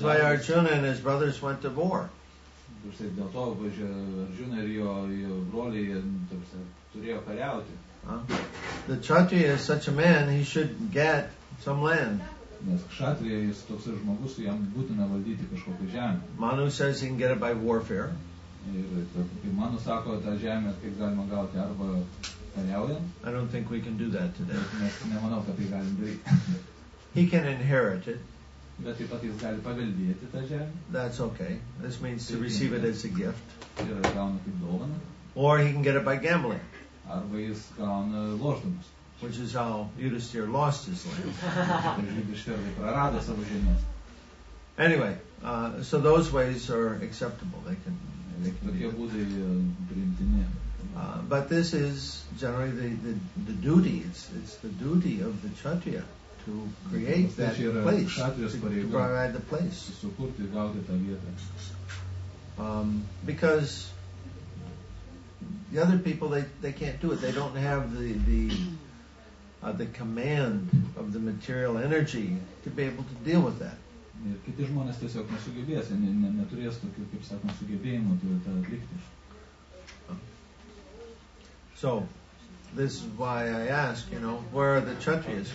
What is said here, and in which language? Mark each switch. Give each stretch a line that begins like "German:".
English: why Arjuna and his brothers went to war.
Lithuanian: Dėl to, Arjuna ir jo broliai turėjo kariauti.
English: The Kshatriya is such a man, he should get some land.
Lithuanian: Kshatriya
English: is
Lithuanian: toks žmogus, jam būtina valdyti kažkokią žemę.
English: Manu says he can get it by warfare.
Lithuanian: Manu sako, tą žemę kaip galima gauti arba kariaujant.
English: I don't think we can do that today.
Lithuanian: Nemanau, kad tai galim daryti.
English: He can inherit it.
Lithuanian: Bet taip pat jis gali paveldėti tą žemę.
English: That's okay. This means to receive it as a gift.
Lithuanian: Ir gauna kaip dovaną.
English: Or he can get it by gambling.
Lithuanian: Arba jis gauna lošdamas.
English: Which is how Yudhisthira lost his land. Anyway, so those ways are acceptable. They can be. But this is generally the duty. It's the duty of the Kshatriya to create that place, to provide the place. Because the other people, they can't do it. They don't have the command of the material energy to be able to deal with that.
Lithuanian: Ir kiti žmonės tiesiog nesugebės, neturės tokių, kaip sakom, sugebėjimų tą atlikti.
English: So, this is why I ask, you know, where are the Kshatriyas?